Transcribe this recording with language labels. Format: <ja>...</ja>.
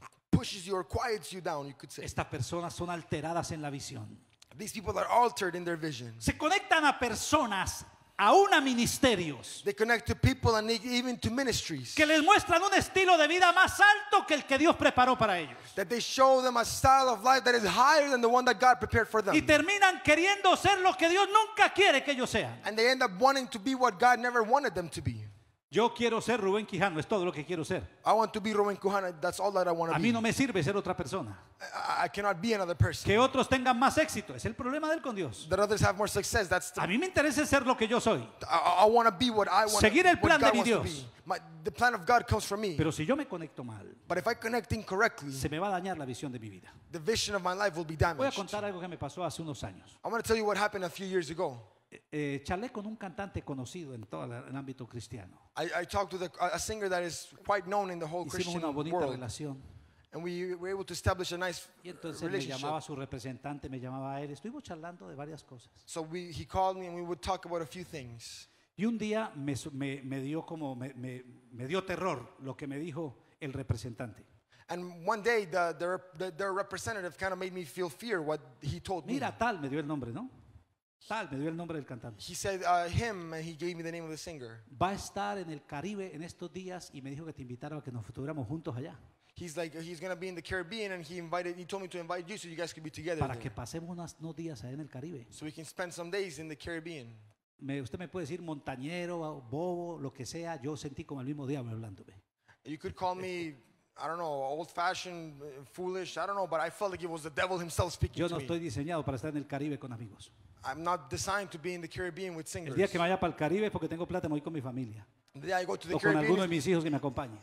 <en>Pushes you or quiets you down, you could say.</en> <es>Estas personas son alteradas en la visión.</es> <en>These people are altered in their vision.</en> <es>Se conectan a personas. Aún a ministerios.</es> <en>They connect to people and even to ministries.</en> <es>Que les muestran un estilo de vida más alto que el que Dios preparó para ellos.</es> <en>That they show them a style of life that is higher than the one that God prepared for them.</en> <es>Y terminan queriendo ser lo que Dios nunca quiere que ellos sean.</es> <en>And they end up wanting to be what God never wanted them to be.</en> <es>Yo quiero ser Rubén Quijano, es todo lo que quiero ser.</es> <en>I want to be Rubén Quijano, that's all that I want to be.</en> <es>A mí no me sirve ser otra persona.</es> <en>I cannot be another person.</en> <es>Que otros tengan más éxito, es el problema del con Dios.</es> <en>That others have more success, that's the...</en> <es>A mí me interesa ser lo que yo soy.</es> <en>I want to be what I want.</en> <es>Seguir el plan de mi Dios.</es> <en>The plan of God comes from me.</en> <es>Pero si yo me conecto mal,</es> <en>but if I connect incorrectly,</en> <es>se me va a dañar la visión de mi vida.</es> <en>The vision of my life will be damaged.</en> <es>Voy a contar algo que me pasó hace unos años.</es> <en>I want to tell you what happened a few years ago.</en> <es>Charlé con un cantante conocido en todo el ámbito cristiano.</es> <en>I talked to a singer that is quite known in the whole Christian world.</en> <es>Hicimos una bonita relación.</es> <en>And we were able to establish a nice relationship.</en> <es>Y entonces me llamaba su representante, me llamaba él. Estuvimos charlando de varias cosas.</es> <en>So he called me and we would talk about a few things.</en> <es>Y un día me dio terror lo que me dijo el representante.</es> <en>And one day the representative kind of made me feel fear what he told me.</en> <es>Mira tal, me dio el nombre, ¿no? Tal, me dio el nombre del cantante.</es> <en>He said him and he gave me the name of the singer.</en> <es>Va a estar en el Caribe en estos días y me dijo que te invitara a que nos fuéramos juntos allá.</es> <en>He's like he's going to be in the Caribbean and he told me to invite you so you guys could be together.</en> <es>Para Que pasemos unos días allá en el Caribe.</es> <en>So we can spend some days in the Caribbean.</en> <es>Usted me puede decir montañero, bobo, lo que sea, yo sentí como el mismo diablo hablándome.</es> <en>You could call me I don't know, old fashioned, foolish, I don't know, but I felt like it was the devil himself speaking</en> <es>no estoy diseñado para estar en el Caribe con amigos.</es> <en>I'm not designed to be in the Caribbean with singers.</en> <es>El día que vaya para el Caribe es porque tengo plata y voy con mi familia.</es> <en>The day I go to the</en> <es>o con alguno de mis hijos que me acompañe.</es>